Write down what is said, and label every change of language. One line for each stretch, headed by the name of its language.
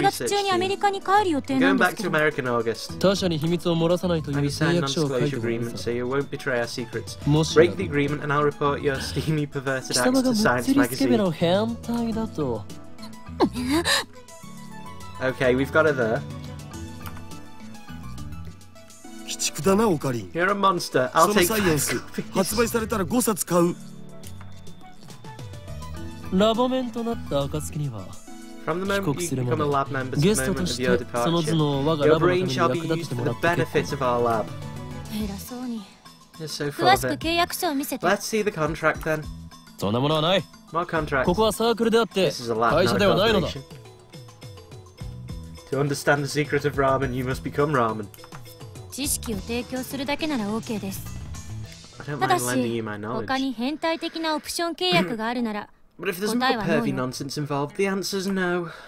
Japanese: 8月中にアメリカに帰る予定なんですけど。
English: Going back to America in August.
Japanese: 他社に秘密を漏らさないという契約書を書いてください
English: 。So you won't betray our secrets. Break the agreement and I'll report your steamy perverted acts to Science Magazine.
Japanese: 貴様が物理スケベの変態だと。
English: Okay, we've got it there.
Japanese: 鬼畜だなオカリン。
English: You're a monster. I'll take it.
Japanese: その サイエンス発売されたら5冊買う。ラボメンとなった暁には。
English: From the moment you become a lab member, the moment of your departure, your brain shall be used for the benefit of our lab. You're so full of it. Let's see the contract then.
Japanese: そんなものはない。
English: More contracts.
Japanese: ここはサークルであって、会社ではないのだ。
English: To understand the secret of ramen, you must become ramen.
Japanese: 知識を提供するだけなら OK です。
English: I don't mind lending you my knowledge.
Japanese: ただし、他に変態的なオプション契約があるなら、
English: But if there's more pervy nonsense involved, the answer is no.